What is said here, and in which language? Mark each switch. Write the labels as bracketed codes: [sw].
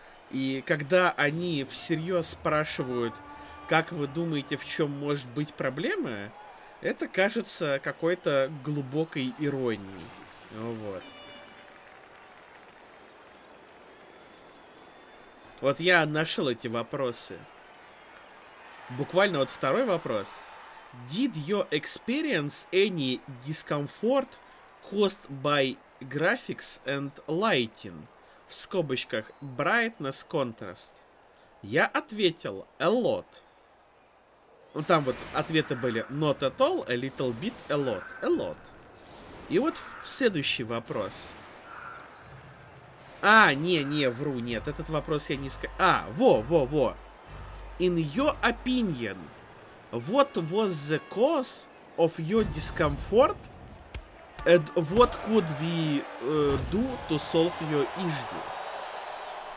[ru] И когда они всерьез спрашивают... Как вы думаете, в чем может быть проблема? Это кажется какой-то глубокой иронией. Вот. Вот я нашел эти вопросы. Буквально вот второй вопрос. [en] Did you experience any discomfort caused by graphics and lighting? [ru] В скобочках brightness, contrast. Я ответил a lot. Ну, там вот ответы были [en] not at all, a little bit, a lot, a lot. [ru] И вот следующий вопрос. А, нет, этот вопрос я не скажу. А, во. [en] In your opinion, what was the cause of your discomfort? And what could we do to solve your issue?